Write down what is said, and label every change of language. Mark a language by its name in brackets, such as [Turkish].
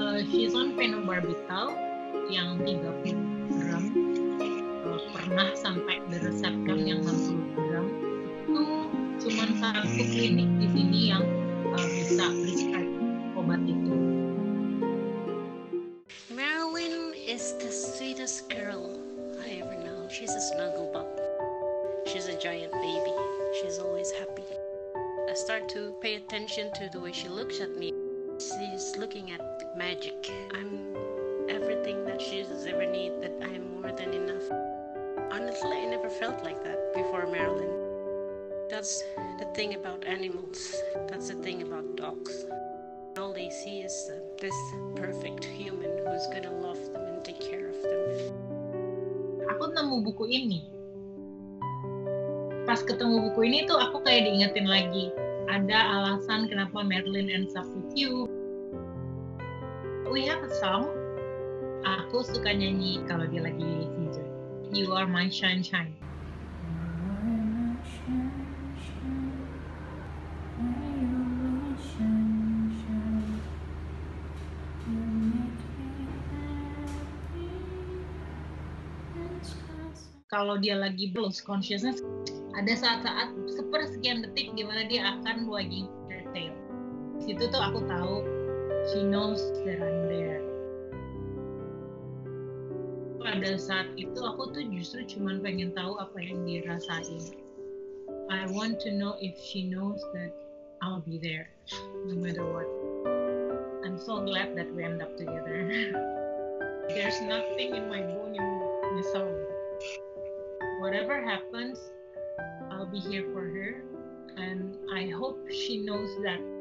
[English] She's on phenobarbital [Indonesian] yang 30 gram. Pernah sampai diresepkan yang 60 gram. Itu cuma satu klinik di sini yang bisa prescribe obat itu. [English] Marilyn is the sweetest girl I ever know. She's a snuggle bump. She's a giant baby. She's always happy. I start to pay attention to the way she looks at me. She's looking at magic. I'm everything that she's ever need, that I'm more than enough. Honestly, I never felt like that before Marilyn. That's the thing about animals. That's the thing about dogs. All they see is this perfect human who's gonna love them and take care of them. [Indonesian] Aku nemu buku ini. Pas ketemu buku ini tuh aku kayak diingetin lagi. Ada alasan kenapa [English] Marilyn ends up with you. We have a song. [Indonesian] Aku suka nyanyi kalau dia lagi seizure. [English] You are my sunshine. [Indonesian] Kalau dia lagi [English] lost consciousness, [Indonesian] ada saat-saat sepersekian detik gimana dia akan [English] wagging her tail. [Indonesian] Situ tuh aku tahu [English] she knows that I'm there. [Indonesian] Pada saat itu aku tuh justru cuma pengen tahu apa yang dia rasain. [English] I want to know if she knows that I'll be there no matter what. I'm so glad that we end up together. There's nothing in my bone [Indonesian] yang nyesel. [English] Whatever happens, I'll be here for her, and I hope she knows that.